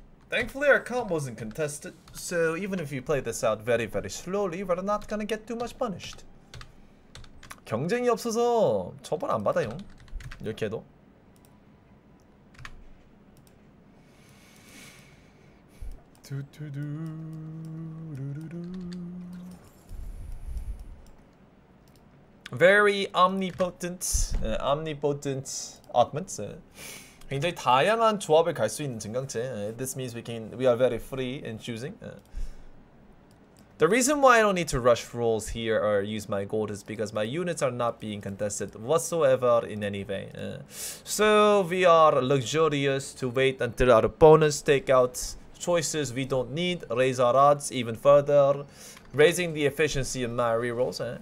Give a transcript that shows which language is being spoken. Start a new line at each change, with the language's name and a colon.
English: Thankfully, our comp wasn't contested, so even if you play this out very, very slowly, we're not gonna get too much punished.
Korean: 경쟁이 없어서 처벌 안 받아요. 이렇게 해도. 두두두루루루.
English: Very omnipotent, omnipotent augments.
Korean: 굉장히 다양한 조합을 갈 수 있는 증강체.
English: This means we are very free in choosing. The reason why I don't need to rush rolls here or use my gold is because my units are not being contested whatsoever in any way. So we are luxurious to wait until our opponents take out choices we don't need, raise our odds even further, raising the efficiency of my rerolls.